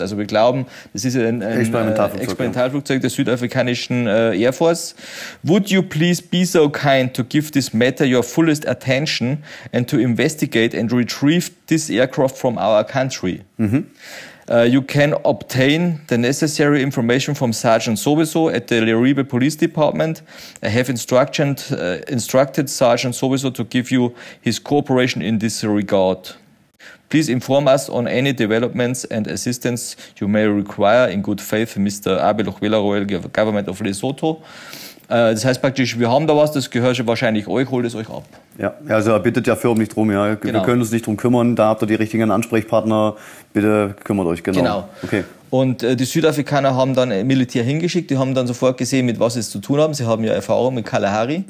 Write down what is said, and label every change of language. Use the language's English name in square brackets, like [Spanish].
[German] Also wir glauben, das ist ein Experimentalflugzeug der südafrikanischen Air Force. [English] Would you please be so kind to give this matter your fullest attention and to investigate and retrieve this aircraft from our country? You can obtain the necessary information from Sergeant Sowieso at the Leribe Police Department. I have instructed Sergeant Sowieso to give you his cooperation in this regard. Please inform us on any developments and assistance you may require in good faith, Mr. Abel Ochwela, Royal Government of Lesotho. [German] Das heißt praktisch, wir haben da was, das gehört wahrscheinlich euch, holt es euch ab. Ja, also er bittet ja förmlich drum, ja. Genau. Wir können uns nicht drum kümmern, da habt ihr die richtigen Ansprechpartner, bitte kümmert euch, genau. Genau. Okay. Und die Südafrikaner haben dann Militär hingeschickt, die haben dann sofort gesehen, mit was sie es zu tun haben. Sie haben ja Erfahrung mit Kalahari.